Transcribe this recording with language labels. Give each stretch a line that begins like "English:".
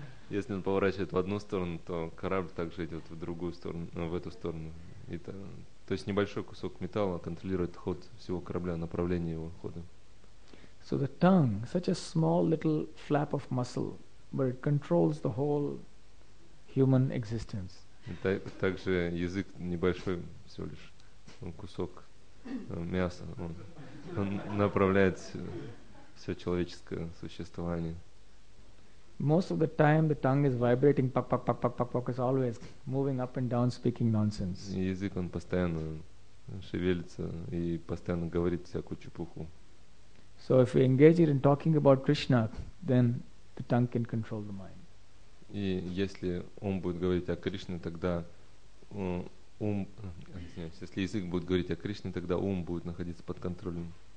Russian: Если он поворачивает в одну сторону, то корабль также идет в другую сторону, в эту сторону. То есть небольшой кусок металла контролирует ход всего корабля, направление его хода.
English: So the tongue, such a small little flap of muscle, but it controls the whole human existence.
Russian: Также язык небольшой всего лишь кусок мяса, он направляет все человеческое существование.
English: Most of the time the tongue is vibrating, pak pak pak pak pak pak, is always moving up and down, speaking nonsense.
Russian: Язык, он постоянно шевелится и постоянно говорит всякую чепуху.
English: So if we engage it in talking about Krishna, then the tongue can control the mind.
Russian: И если ум будет говорить о Кришне, тогда ум, извиняюсь, если язык будет говорить о Кришне, тогда ум будет находиться под контролем.